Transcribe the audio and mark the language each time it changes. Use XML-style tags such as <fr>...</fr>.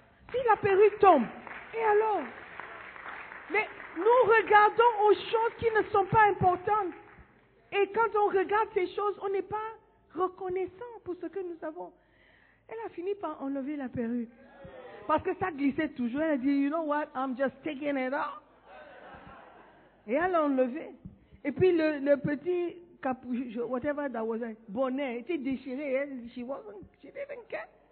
<fr>Si la perruque tombe, et alors? Mais nous regardons aux choses qui ne sont pas importantes. Et quand on regarde ces choses, on n'est pas reconnaissant pour ce que nous avons. Elle a fini par enlever la perruque. Parce que ça glissait toujours. Elle a dit,</fr> <en>you know what, I'm just taking it off.</en> <fr>Et elle a enlevé. Et puis le petit capuche,</fr> <en>whatever that was,</en> <fr>bonnet, était déchiré. Elle,</fr> <en>she didn't even care.</en>